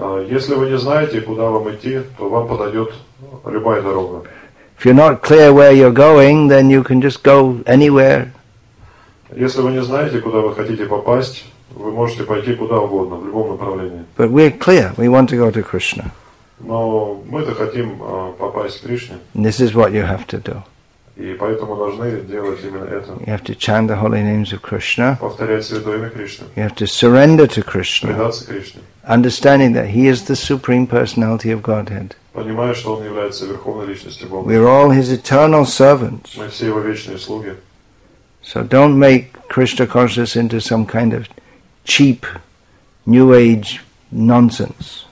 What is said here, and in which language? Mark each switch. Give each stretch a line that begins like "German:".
Russian: Если вы не знаете, куда вам идти, то вам подойдет любая дорога.
English: If you're not clear where you're going, then you can just go anywhere.
Russian: Если вы не знаете, куда вы хотите попасть, вы можете пойти куда угодно, в любом направлении.
English: But we're clear, we want to go to Krishna.
Russian: Но мы-то хотим попасть к Кришне.
English: And this is what you have to do.
Russian: И поэтому должны делать именно это.
English: You have to chant the holy names of Krishna.
Russian: Повторять святое имя Кришны.
English: You have to surrender to Krishna.
Russian: Предаться Кришне.
English: Understanding that He is the Supreme Personality of Godhead.
Russian: Понимая, что Он является Верховной Личностью Бога.
English: We are all His eternal servants.
Russian: Мы все Его вечные слуги.
English: So don't make Krishna consciousness into some kind of cheap, new age nonsense.